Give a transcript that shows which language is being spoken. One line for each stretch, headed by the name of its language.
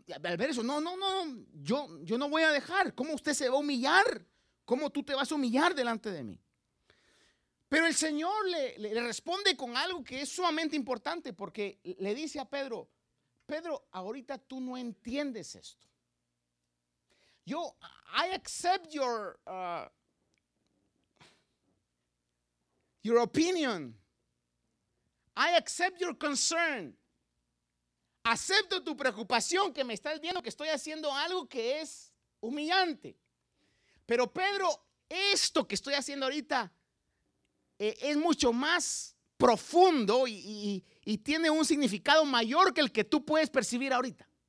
Spanish: Al ver eso, no, yo no voy a dejar. ¿Cómo usted se va a humillar? ¿Cómo tú te vas a humillar delante de mí? Pero el Señor le responde con algo que es sumamente importante, porque le dice a Pedro, Pedro, ahorita tú no entiendes esto.
English: Yo, I accept your opinion. I accept your concern.
Spanish: Acepto tu preocupación que me estás viendo que estoy haciendo algo que es humillante. Pero Pedro, esto que estoy haciendo ahorita es mucho más profundo y tiene un significado mayor que el que tú puedes percibir ahorita.